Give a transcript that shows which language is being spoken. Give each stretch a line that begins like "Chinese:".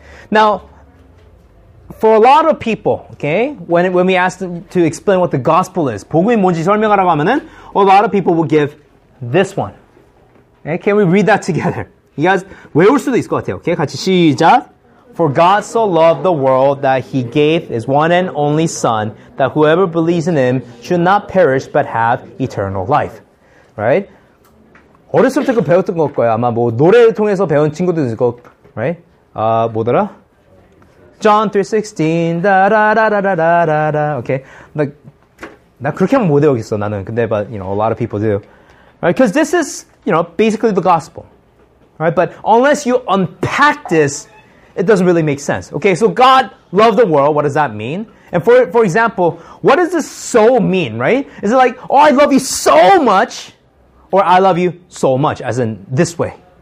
English: Now, for a lot of people, okay, when we ask them to explain what the gospel is,
Korean: 복음이 뭔지 설명하라고 하면은,
English: a lot of people will give this one. Okay, can we read that together? You guys,
Korean: 외울 수도 있을 것 같아요.
English: Okay,
Korean: 같이 시작.
English: For God so loved the world that He gave His one and only Son, that whoever believes in Him should not perish but have eternal life. Right?
Korean: 어렸을 때 그 배웠던 것 같아요. 아마 뭐 노래를 통해서 배운 친구도 있을 것 같아요.
English: Right?
Korean: 뭐더라?
English: John 3:16 다라라라라라라. Okay.
Korean: 나 그렇게 하면 못 외우겠어 나는.
English: 근데 but you know a lot of people do. Right? Because this is you know basically the gospel. Right? But unless you unpack this, it doesn't really make sense. Okay. So God loved the world. What does that mean? And for example, what does this so mean? Right? Is it like oh I love you so much, or I love you so much as in this way?